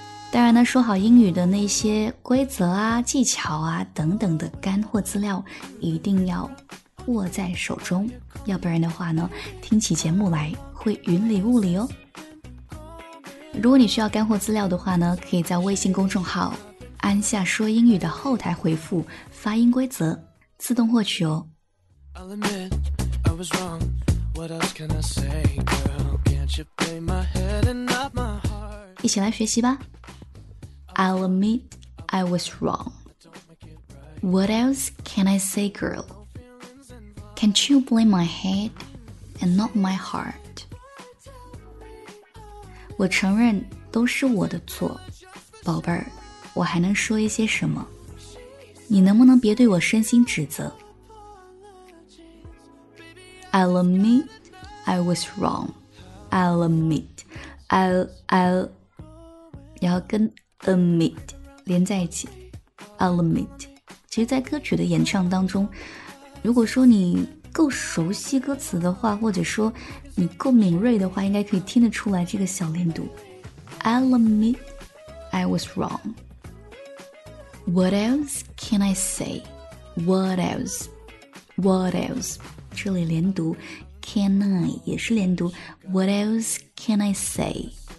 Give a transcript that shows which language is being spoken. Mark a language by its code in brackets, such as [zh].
[zh] 当然呢，说好英语的那些规则啊、技巧啊等等的干货资料一定要握在手中，要不然的话呢，听起节目来会云里雾里哦。如果你需要干货资料的话呢，可以在微信公众号安下说英语的后台回复发音规则自动获取哦。 [en] I'll admit I was wrong. What else can I say, girl? Can't you play my head and not my heart? [zh] 一起来学习吧。 [en] I'll admit I was wrong. What else can I say, girl? Can't you play my head and not my heart? [zh] 我承认都是我的错，宝贝儿，我还能说一些什么？你能不能别对我身心指责？ [en] I'll admit I was wrong. I'll admit I'll [zh] 然后跟 [en] admit [zh] 连在一起， [en] I'll admit。 [zh] 其实在歌曲的演唱当中，如果说你够熟悉歌词的话，或者说你够敏锐的话，应该可以听得出来这个小连读。 [en] I'll admit I was wrongWhat else can I say? What else? What else? [zh] 这里连读 [en] can I [zh] 也是连读 [en] What else can I say?